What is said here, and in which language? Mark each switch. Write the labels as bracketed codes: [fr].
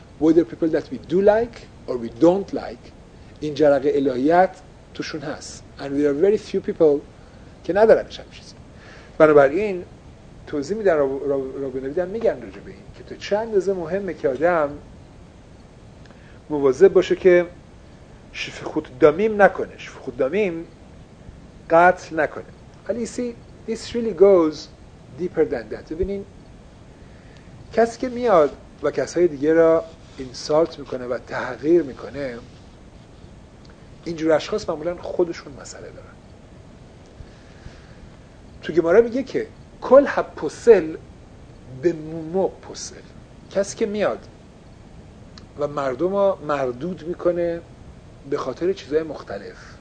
[en] whether people that we do like or we don't like، [fa] این جرقه الهیت توشون هست [en] and there are very few people [fa] که ندارن چه چیزی. بنابراین توضیح میدن رابینویدن میگن راجع به این که تا چند اندازه مهمه که آدم مواظب باشه که شفخوت دامیم نکنه، شفخوت دامیم قتل نکنه. [en] ولی you see this really goes deeper than that. [fa] ببینین کسی که میاد و کسای دیگه را اینسالت میکنه و تحقیر میکنه، اینجور اشخاص معمولا خودشون مسئله دارن. تو گمارا میگه که کل ها پوسل به مومو پوسل، کسی که میاد و مردم را مردود میکنه به خاطر چیزهای مختلف،